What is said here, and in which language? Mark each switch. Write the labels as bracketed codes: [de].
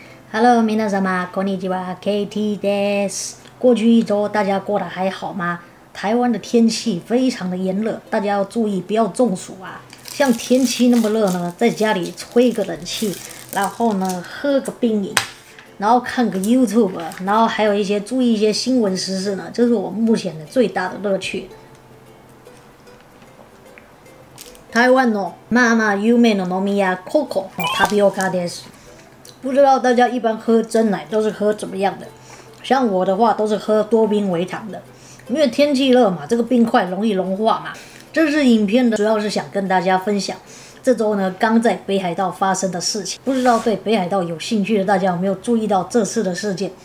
[ja] Hello, 皆様こんにちは KT です。 [zh] 过去一周大家过得还好吗？台湾的天气非常的炎热，大家要注意不要中暑啊。像天气那么热呢，在家里吹个冷气，然后呢喝个冰饮，然后看个 YouTube， 然后还有一些注意一些新闻时事呢，这是我目前的最大的乐趣。 [ja] 台湾のまあまあ有名の飲み屋ココのタピオカです。 [zh] 不知道大家一般喝真奶都是喝怎么样的？像我的话都是喝多冰为糖的，因为天气热嘛，这个冰块容易融化嘛。这支影片的主要是想跟大家分享这周呢刚在北海道发生的事情。不知道对北海道有兴趣的大家有没有注意到这次的事件？